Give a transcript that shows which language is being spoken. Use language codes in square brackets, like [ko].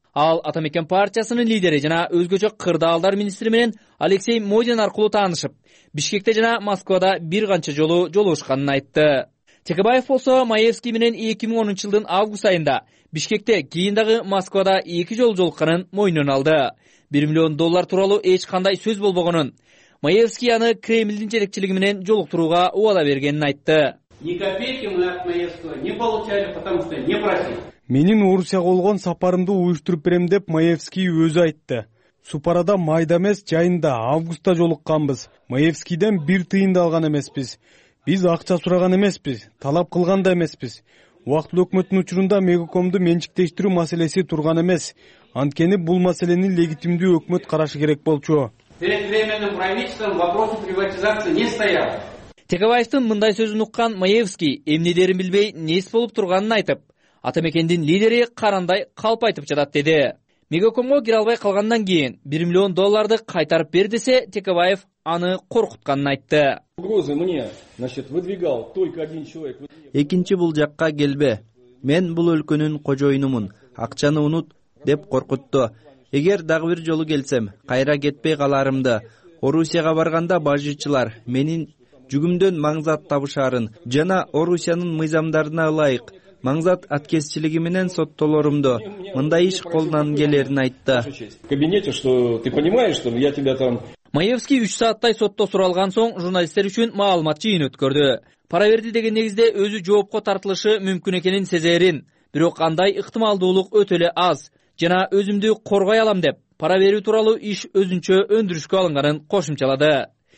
[ky] Ал Атамекен партиясынын лидери жана өзгөчө кырдаалдар министри менен Алексей Модин аркылуу таанышып, Бишкекте жана Москвада бир канча жолу жолугушканын айтты. Текебаев болсо Маевский менен 2010 жылдын август айында Бишкекте, кийин дагы Москвада 2 жолу жолукканын мойнуна алды. 1 миллион доллар тууралуу эч кандай сөз болбогонун, Маевский аны Кремлдин жетекчилиги менен жолуктурууга убада бергенин айтты. [ru] Ни копейки мы от Маевского не получали, потому что не просили. [ky] Менин Орусияга болгон сапарымды уюштуруп берем деп Маевский өзү айтты. Супарада майда эмес, жайында августта жолукканбыз. Маевскийден бир тыйын да алган эмеспиз. Биз акча сураган эмеспиз, талап кылган да эмеспиз. Убактылуу өкмөттүн учурунда Мегакомду менчиктештирүү маселеси турган эмес. Анткени бул маселени легитимдүү өкмөт карашы керек болчу. [ru] Перед временным правительством вопросы приватизации не стоял. [ky] Текебаевдин мындай сөзүн уккан Маевский эмне дерин билбей, нес болуп турганын айтып, Атамекендин лидери карандай калп айтып жатат деди. Мегакомго кире албай калгандан кийин 1 миллион долларды кайтарып бер десе, Текебаев аны коркутканын айтты. [ru] Угрозы мне, значит, выдвигал только один человек. [ky] Экинчи бул жакка келбе. Мен бул өлкөнүн кожоюнумун. Акчаны унут деп коркутту. Эгер дагы бир жолу келсем, кайра кетпей каларымды. Орусияга барганда бажычылар менин жүгүмдөн маңзат табышарын жана Орусиянын мыйзамдарына ылайык маңзат аткезчилиги менен соттолорумду мындай иш колунан келерин айтты. [ru] Кабинете, что ты понимаешь, что я тебя там. [ky] Маевский 3 сааттай сотто суралган соң журналисттер үчүн маалымат жыйын өткөрдү. Пара берди деген негизде өзү жоопко тартылышы мүмкүн экенин сезерин, бирок андай ыктымалдуулук өтө эле аз жана өзүмдү коргой алам деп пара берүү тууралуу иш өзүнчө өндүрүшкө алынганын кошумчалады.